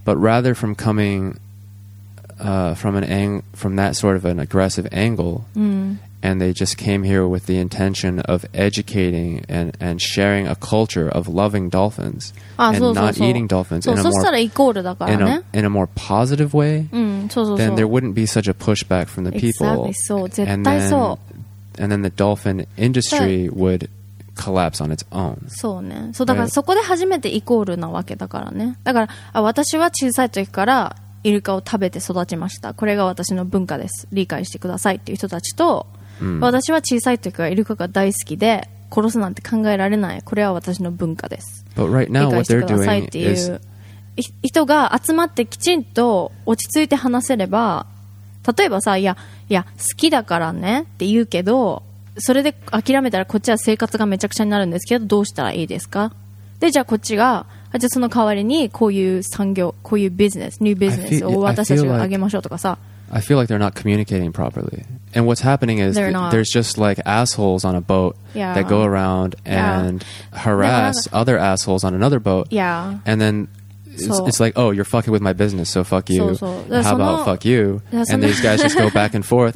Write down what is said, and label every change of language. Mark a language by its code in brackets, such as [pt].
[en] But rather from comingfrom that sort of an aggressive angle, and they just came here with the intention of educating and sharing a culture of loving dolphins not eating dolphins in a more positive way, then there wouldn't be such a pushback from the people. And then the dolphin industry would collapse on its own. [ja] そうね。そうだからそこで初めてイコールなわけだからね。だから私は小さい時からイルカを食べて育ちました、これが私の文化です、理解してくださいっていう人たちと、私は小さい時からイルカが大好きで殺すなんて考えられない、これは私の文化です、 [en] But right now, [ja] 理解してくださいっていう人が集まってきちんと落ち着いて話せれば、例えばさ、いや好きだからねって言うけど、それで諦めたらこっちは生活がめちゃくちゃになるんですけど、どうしたらいいですか、でじゃあこっちがじゃあその代わりにこういう産業、こういうビジネス、ニュービジネスを私たちが上げましょうとかさ。 [en] I feel like they're not communicating properly. And what's happening is there's just like assholes on a boat that go around and harass other assholes on another boat. Yeah. And then it's like, oh, you're fucking with my business, so fuck you. How about fuck you? And these guys just go back and forth.